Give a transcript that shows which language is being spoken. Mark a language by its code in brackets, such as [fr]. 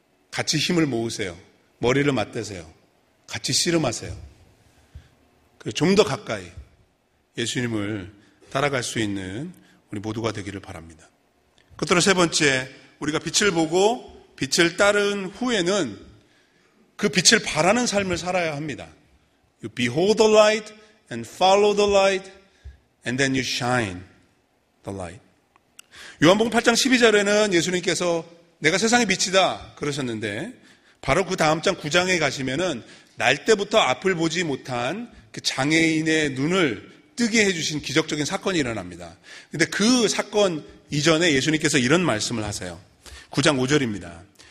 [ko] 같이 힘을 모으세요. 머리를 맞대세요. 같이 씨름하세요. 좀 더 가까이 예수님을 따라갈 수 있는 우리 모두가 되기를 바랍니다. 끝으로 세 번째, 우리가 빛을 보고 빛을 따른 후에는 그 빛을 바라는 삶을 살아야 합니다. [en] You behold the light and follow the light and then you shine the light. [ko] 요한복음 8장 12절에는 예수님께서 내가 세상의 빛이다 그러셨는데 바로 그 다음 장 9장에 가시면은 날 때부터 앞을 보지 못한 그 장애인의 눈을 뜨게 해주신 기적적인 사건이 일어납니다. 그런데 그 사건 이전에 예수님께서 이런 말씀을 하세요. 9장 5절입니다.